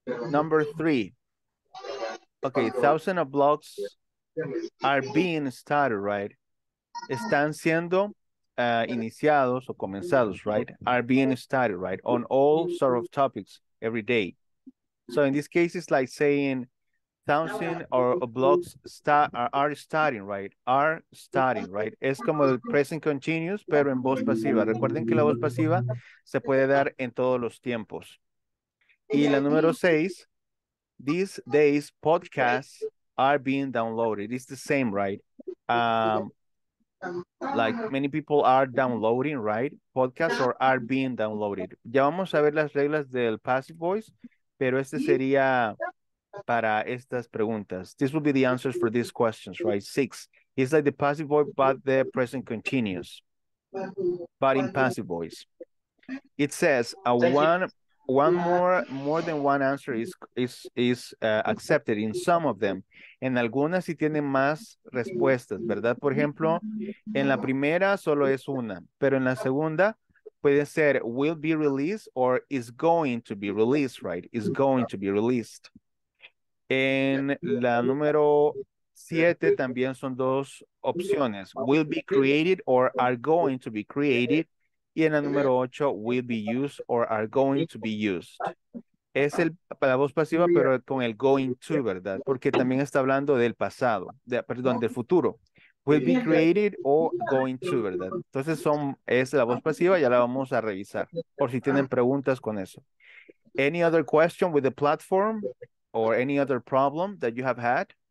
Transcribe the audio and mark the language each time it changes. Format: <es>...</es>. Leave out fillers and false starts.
<en>Number 3. Okay, thousands of blocks are being started, right?</en> <es>Están siendo iniciados o comenzados, right?</es> <en>Are being started, right? On all sort of topics every day. So in this case, it's like saying thousand or blocks are studying, right? Are studying, right?</en> <es>Es como el present continuous, pero en voz pasiva. Recuerden que la voz pasiva se puede dar en todos los tiempos. Y la número seis,</es> <en>these days podcasts are being downloaded. It's the same, right? Like many people are downloading, right? Podcasts or are being downloaded.</en> <es>Ya vamos a ver las reglas del passive voice, pero este sería para estas preguntas.</es> <en>This will be the answers for these questions, right? Six. It's like the passive voice, but the present continuous. But in passive voice. It says more than one answer is accepted in some of them.</en> <es>En algunas sí tienen más respuestas, ¿verdad? Por ejemplo, en la primera solo es una, pero en la segunda puede ser</es> <en>will be released or is going to be released,</en> <es>right?</es> <en>Is going to be released.</en> <es>En la número siete también son dos opciones,</es> <en>will be created or are going to be created.</en> <es>Y en la número 8,</es> <en>will be used or are going to be used.</en> <es>Es el, la voz pasiva, pero con el going to, ¿verdad? Porque también está hablando del pasado, de, perdón, del futuro.</es> <en>Will be created or going to,</en> <es>¿verdad? Entonces, son, es la voz pasiva, ya la vamos a revisar, por si tienen preguntas con eso.</es> <en>Any other question with the platform or any other problem that you have had?</en>